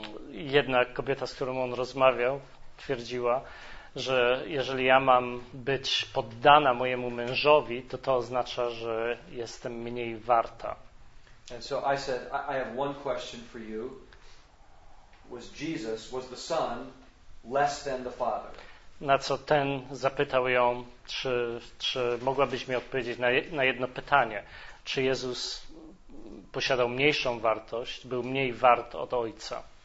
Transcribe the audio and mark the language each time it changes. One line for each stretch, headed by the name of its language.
Polish: Jedna kobieta, z którą on rozmawiał, twierdziła, że jeżeli ja mam być poddana mojemu mężowi, to oznacza, że jestem mniej warta.
English: And so I said, I have one question for you. Was Jesus, was the Son, less than the Father?
Polish: Na co ten zapytał ją, czy mogłabyś mi odpowiedzieć na jedno pytanie. Czy Jezus posiadał mniejszą wartość, był mniej wart od Ojca?